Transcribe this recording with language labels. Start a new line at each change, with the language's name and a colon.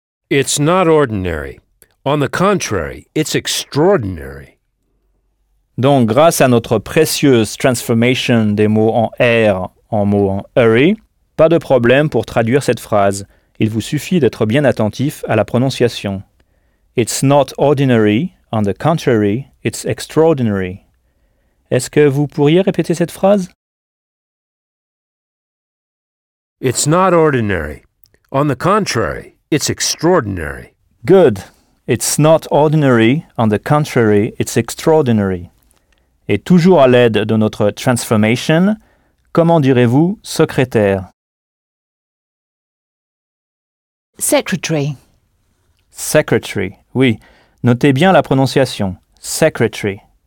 English: It's not ordinary. On the contrary, it's extraordinary.
French: Donc, grâce à notre précieuse transformation des mots en R en mots en hurry, pas de problème pour traduire cette phrase. Il vous suffit d'être bien attentif à la prononciation.
English: It's not ordinary, on the contrary, it's extraordinary.
French: Est-ce que vous pourriez répéter cette phrase?
English: It's not ordinary, on the contrary, it's extraordinary. Good. It's not ordinary, on the contrary, it's extraordinary.
French: Et toujours à l'aide de notre transformation, comment direz-vous secrétaire?
English: Secretary.
French: Secretary, oui. Notez bien la prononciation. Secretary.